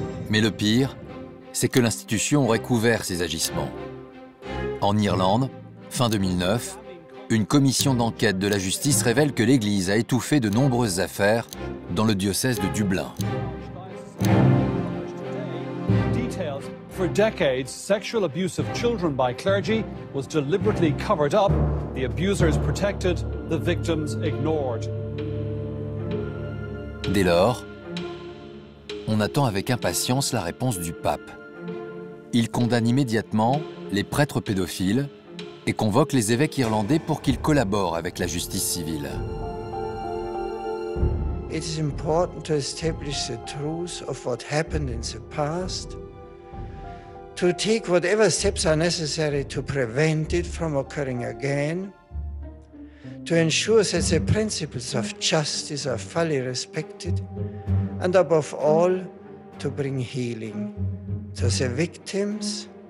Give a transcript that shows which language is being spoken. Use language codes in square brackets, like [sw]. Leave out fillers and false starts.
[fr] Mais le pire, c'est que l'institution aurait couvert ses agissements. En Irlande, fin 2009, une commission d'enquête de la justice révèle que l'Église a étouffé de nombreuses affaires dans le diocèse de Dublin. [en] For decades, sexual abuse of children by clergy was deliberately covered up, the abusers protected, the victims ignored. [fr] Dès lors, on attend avec impatience la réponse du pape. Il condamne immédiatement les prêtres pédophiles et convoque les évêques irlandais pour qu'ils collaborent avec la justice civile. [en] It is important to establish the truth of what happened in the past, to take whatever steps are necessary to prevent it from occurring again, to ensure that the principles of justice are fully respected, and above all, to bring healing to the victims